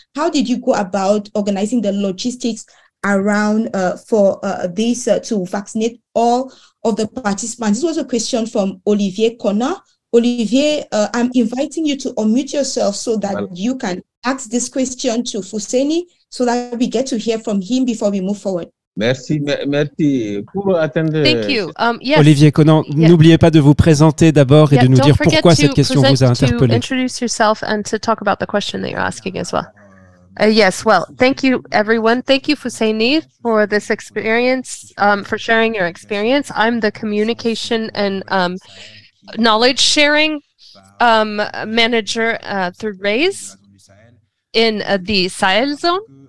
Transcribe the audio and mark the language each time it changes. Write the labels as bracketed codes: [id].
[en] How did you go about organizing the logistics around to vaccinate all of the participants? This was a question from Olivier Connor. Olivier, I'm inviting you to unmute yourself so that you can ask this question to Fuseini, so that we get to hear from him before we move forward. [fr] Merci. Pour attendre. [en] Thank you. Yes. Olivier Connor, yes. [fr] N'oubliez pas de vous présenter d'abord et de nous dire pourquoi cette question vous a interpellé. [en] To introduce yourself and to talk about the question that you're asking as well. Yes, well, thank you, everyone. Thank you, Fuseini, for this experience, for sharing your experience. I'm the communication and knowledge sharing manager through RAISE in the Sahel zone.